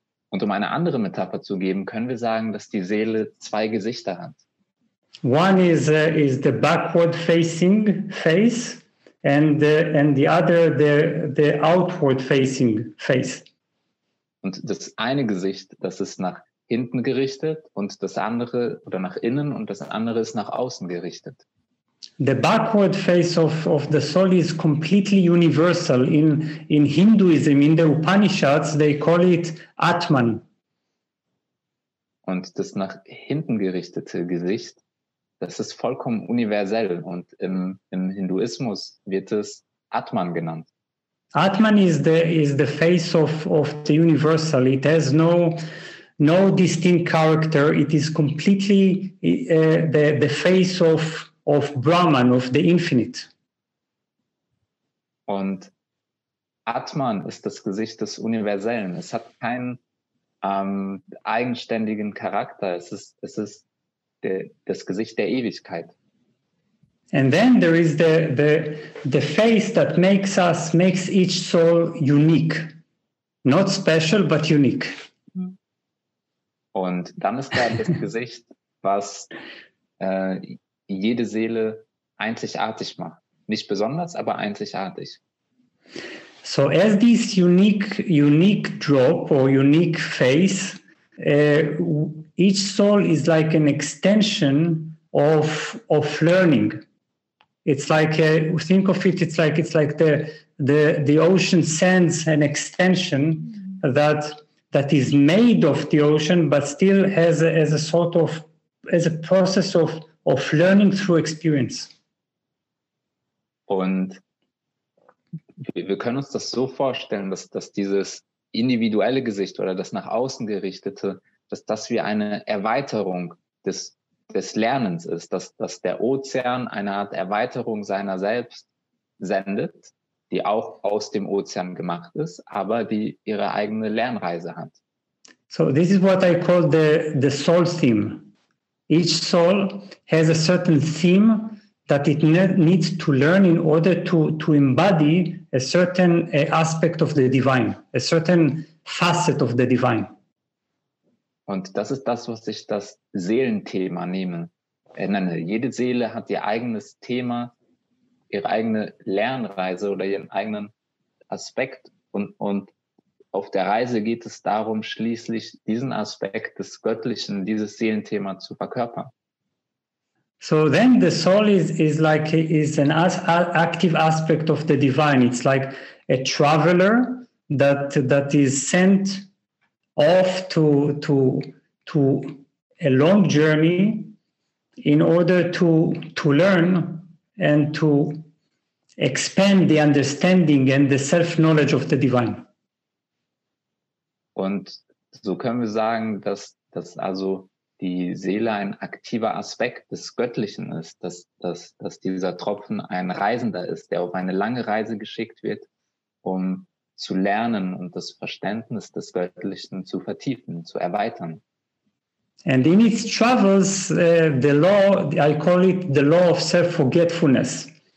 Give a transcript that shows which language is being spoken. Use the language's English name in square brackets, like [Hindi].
[German] Und um eine andere Metapher zu geben, können wir sagen, dass die Seele zwei Gesichter hat. [English] One is the backward facing face and the other the outward facing face. [German] Und das eine Gesicht, das ist nach hinten gerichtet und das andere oder nach innen und das andere ist nach außen gerichtet. [English] The backward face of the soul is completely universal. In Hinduism, in the Upanishads, they call it Atman. [German] Und das nach hinten gerichtete Gesicht, das ist vollkommen universell und im Hinduismus wird es Atman genannt. [English] Atman is the face of the universal. It has no distinct character. It is completely the face of Brahman, of the infinite. [German] Und Atman ist das Gesicht des Universellen. Es hat keinen eigenständigen Charakter. Es ist das Gesicht der Ewigkeit. [English] And then there is the face that makes each soul unique. Not special, but unique. [German] Und dann ist da das Gesicht, was jede Seele einzigartig macht. Nicht besonders, aber einzigartig. [English] So as this unique drop or unique face, each soul is like an extension of learning. It's like think of it. It's like the ocean sends an extension that is made of the ocean, but still has a sort of process of learning through experience. [German] Und wir können uns das so vorstellen, dass dieses individuelle Gesicht oder das nach außen gerichtete, dass das wie eine Erweiterung des Lernens ist, dass der Ozean eine Art Erweiterung seiner selbst sendet, die auch aus dem Ozean gemacht ist, aber die ihre eigene Lernreise hat. [English] So this is what I call the soul theme. Each soul has a certain theme that it needs to learn in order to embody a certain aspect of the divine, a certain facet of the divine. [German] Und das ist das, was ich das Seelenthema nenne. Jede Seele hat ihr eigenes Thema, ihre eigene Lernreise oder ihren eigenen Aspekt. Und auf der Reise geht es darum, schließlich diesen Aspekt des Göttlichen, dieses Seelenthema zu verkörpern. [English] So then the soul is an active aspect of the divine. It's like a traveler that is sent off to a long journey in order to learn and to expand the understanding and the self-knowledge of the divine. [German] Und so können wir sagen, dass also die Seele ein aktiver Aspekt des Göttlichen ist, dass dieser Tropfen ein Reisender ist, der auf eine lange Reise geschickt wird, um zu lernen und das Verständnis des Göttlichen zu vertiefen, zu erweitern. [English] And in its travels, the law, I call it the law of self-forgetfulness.